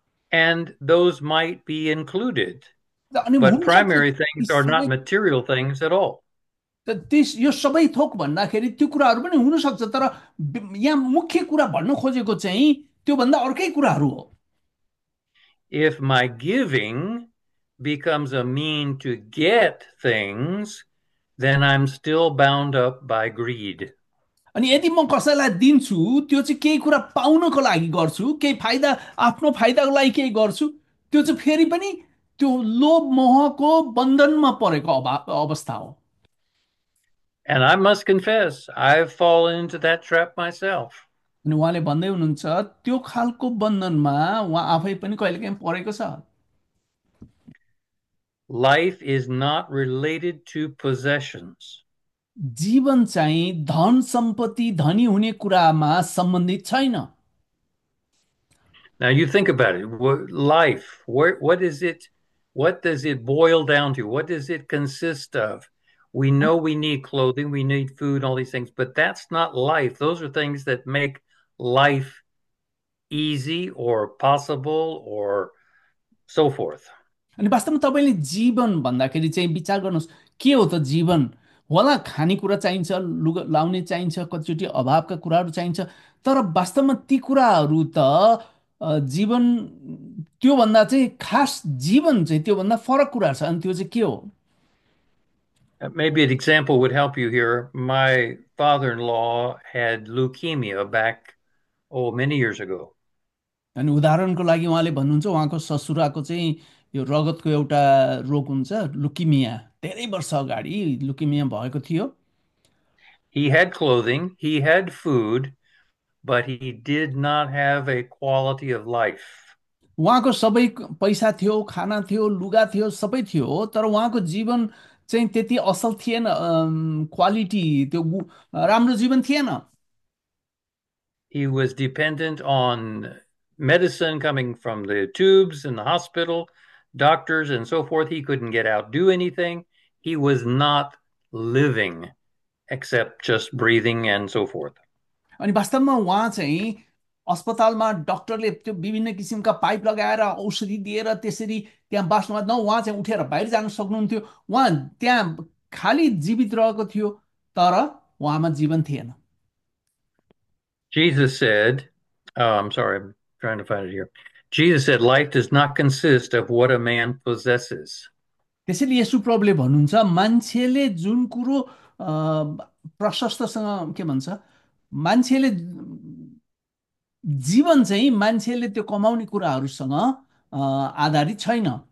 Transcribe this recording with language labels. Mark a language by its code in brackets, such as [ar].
[en] And those might be included, [ne] अनि [en] but [ne] हुनसक्छ [en] primary things are not [ne] सबै, [en] material things at all. [ne] यो सबै थोक भन्दाखेरि त्यो कुराहरू पनि हुनसक्छ, तर यहाँ मुख्य कुरा भन्न खोजेको चाहिँ त्योभन्दा अर्कै कुराहरू हो। [en] If my giving becomes a mean to get things, then I'm still bound up by greed. [ne] अनि यदि म कसैलाई दिन्छु त्यो चाहिँ केही कुरा पाउनको लागि गर्छु, केही फाइदा आफ्नो फाइदाको लागि केही गर्छु, त्यो चाहिँ फेरि पनि त्यो लोभ मोहको बन्धनमा परेको अवस्था हो। [en] And I must confess, I've fallen into that trap myself. [ne] अनि उहाँले भन्दै हुनुहुन्छ त्यो खालको बन्धनमा उहाँ आफै पनि कहिलेकाहीँ परेको छ। [en] Life is not related to possessions. [ne] जीवन चाहिँ धन सम्पत्ति धनी हुने कुरामा सम्बन्धित छैन। [en] Now you think about it. Life, what is it? What does it boil down to? What does it consist of? We know we need clothing, we need food, all these things, but that's not life. Those are things that make life easy or possible or so forth. [ne] अनि वास्तवमा तपाईँले जीवन भन्दाखेरि चाहिँ विचार गर्नुहोस् के हो त जीवन? होला खानेकुरा चाहिन्छ, लुगा लाउने चाहिन्छ, कतिचोटि अभावका कुराहरू चाहिन्छ, तर वास्तवमा ती कुराहरू त जीवन त्योभन्दा चाहिँ खास, जीवन चाहिँ त्योभन्दा फरक कुरा छ। अनि त्यो चाहिँ के हो? [en] Maybe an example would help you here. My father-in-law had leukemia back, oh, many years ago. [ne] अनि उदाहरणको लागि उहाँले भन्नुहुन्छ उहाँको ससुराको चाहिँ यो रगतको एउटा रोग हुन्छ, लुकिमिया, धेरै वर्ष अगाडि लुकिमिया भएको थियो। [en] He had clothing, he had food, but he did not have a quality of life. [ne] उहाँको सबै पैसा थियो, खाना थियो, लुगा थियो, सबै थियो, तर उहाँको जीवन चाहिँ त्यति असल थिएन, क्वालिटी त्यो राम्रो जीवन थिएन। [en] He was dependent on medicine coming from the tubes in the hospital, doctors, and so forth. He couldn't get out, do anything. He was not living except just breathing and so forth. [ne] अनि वास्तवमा उहाँ चाहिँ अस्पतालमा डक्टरले त्यो विभिन्न किसिमका pipe लगाएर औषधि दिएर त्यसरी त्यहाँ बाँच्नु भएन, उहाँ चाहिँ उठेर बाहिर जान सक्नुहुन्थ्यो, उहाँ त्यहाँ खाली जीवित रहेको थियो तर उहाँमा जीवन थिएन। [en] Jesus said, I'm sorry, I'm trying to find it here. Jesus said, life does not consist of what a man possesses. [ne] त्यसैले यसु प्रभुले भन्नुहुन्छ मान्छेले जुन कुरो प्रशस्तसँग के भन्छ मान्छेले जीवन चाहिँ मान्छेले त्यो कमाउने कुराहरूसँग आधारित छैन।